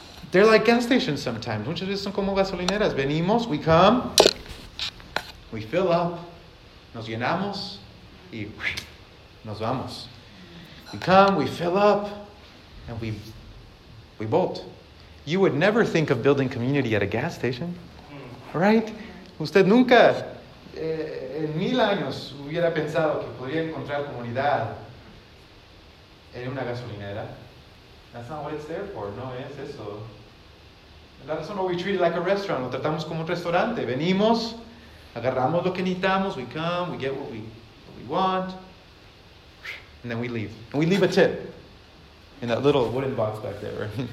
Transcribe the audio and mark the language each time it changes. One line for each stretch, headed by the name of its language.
English: They're like gas stations sometimes,
Spanish: muchas veces son como gasolineras, venimos,
English: we come, we fill up,
Spanish: nos llenamos, y nos vamos.
English: We come, we fill up, and we bolt. You would never think of building community at a gas station, right?
Spanish: Usted nunca en mil años hubiera pensado que podría encontrar comunidad en una gasolinera.
English: That's not what it's there for,
Spanish: no es eso. La razón no,
English: we treat it like a restaurant,
Spanish: lo tratamos como un restaurante, venimos, agarramos lo que necesitamos,
English: we come, we get what we want, and then we leave. And we leave a tip in that little wooden box back there.